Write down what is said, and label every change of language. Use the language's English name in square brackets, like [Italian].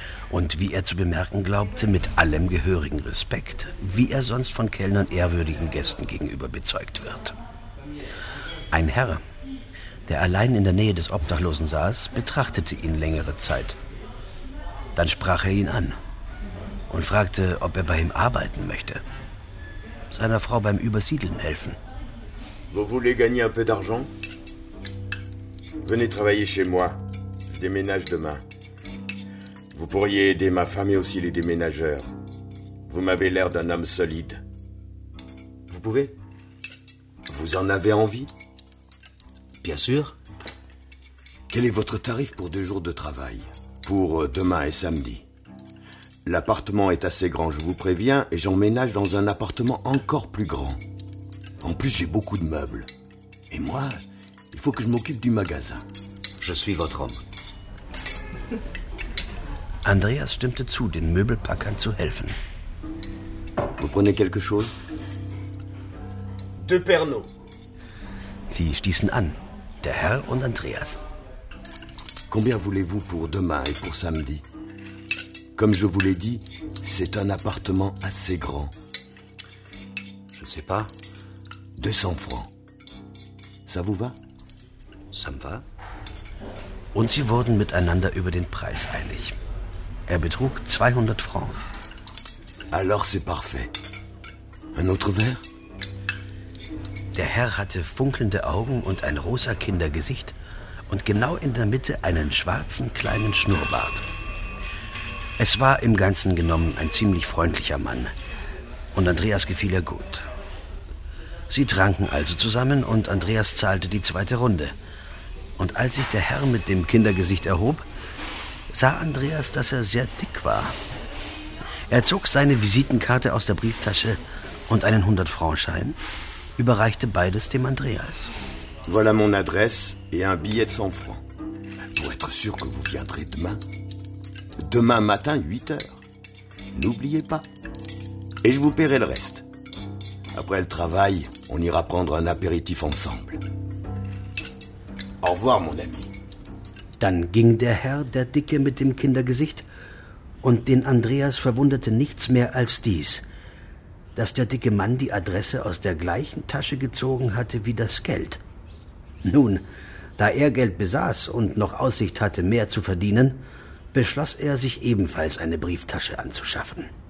[German] Und wie er zu bemerken glaubte, mit allem gehörigen Respekt, wie er sonst von Kellnern ehrwürdigen Gästen gegenüber bezeugt wird. Ein Herr, der allein in der Nähe des Obdachlosen saß, betrachtete ihn längere Zeit. Dann sprach er ihn an und fragte, ob er bei ihm arbeiten möchte. Seiner Frau beim Übersiedeln helfen. [French] Vous voulez gagner un peu d'argent? Venez travailler chez moi. Je déménage demain. Vous pourriez aider ma femme et aussi les déménageurs. Vous m'avez l'air d'un homme solide. Vous pouvez? Vous en avez envie? Bien sûr. Quel est votre tarif pour deux jours de travail? Pour demain et samedi. L'appartement est assez grand, je vous préviens, et j'emménage dans un appartement encore plus grand. En plus, j'ai beaucoup de meubles. Et moi, il faut que je m'occupe du magasin. Je suis votre homme. [German] Andreas stimmte zu, den Möbelpackern zu helfen. [French] Vous prenez quelque chose? Deux Pernod. [German] Sie stießen an, der Herr und Andreas. [French] Combien voulez-vous pour demain et pour samedi? Comme je vous l'ai dit, c'est un appartement assez grand. Je sais pas. 200 francs. Ça vous va? Ça me va. [German] Und sie wurden miteinander über den Preis einig. Er betrug 200 francs. [French] Alors c'est parfait. Un autre verre? [German] Der Herr hatte funkelnde Augen und ein rosa Kindergesicht und genau in der Mitte einen schwarzen kleinen Schnurrbart. Es war im Ganzen genommen ein ziemlich freundlicher Mann und Andreas gefiel er gut. Sie tranken also zusammen und Andreas zahlte die zweite Runde. Und als sich der Herr mit dem Kindergesicht erhob, sah Andreas, dass er sehr dick war. Er zog seine Visitenkarte aus der Brieftasche und einen 100-Franc-Schein, überreichte beides dem Andreas. [French] Voilà mon adresse et un billet de 100 francs. Pour être sûr que vous viendrez demain. Demain matin, 8 heures. N'oubliez pas. Et je vous paierai le reste. Après le travail, on ira prendre un apéritif ensemble. Au revoir, mon ami. [German] Dann ging der Herr, der Dicke mit dem Kindergesicht, und den Andreas verwunderte nichts mehr als dies, dass der dicke Mann die Adresse aus der gleichen Tasche gezogen hatte wie das Geld. Nun, da er Geld besaß und noch Aussicht hatte, mehr zu verdienen, beschloss er, sich ebenfalls eine Brieftasche anzuschaffen.